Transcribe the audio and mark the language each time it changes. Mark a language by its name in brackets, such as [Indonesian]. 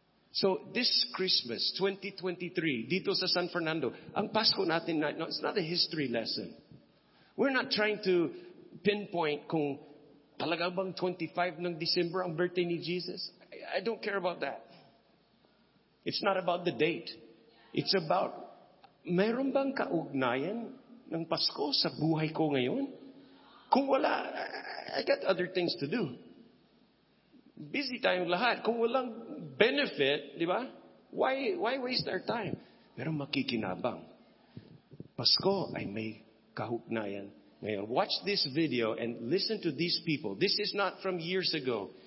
[English] So this Christmas, 2023, [Filipino] dito sa San Fernando, ang Pasko natin, [English] no, it's not a history lesson. We're not trying to pinpoint [Filipino] kung talaga bang 25 ng December ang birthday ni Jesus. [English] I don't care about that. It's not about the date. It's about, [Filipino] meron bang kaugnayan ng Pasko sa buhay ko ngayon? Kung wala, [English] I got other things to do. [Filipino] Busy tayong lahat. Kung walang benefit, di ba? [English] Why waste our time? [Filipino] Pero makikinabang. Pasko ay may kaugnayan. [English] Ngayon, watch this video and listen to these people. This is not from years ago.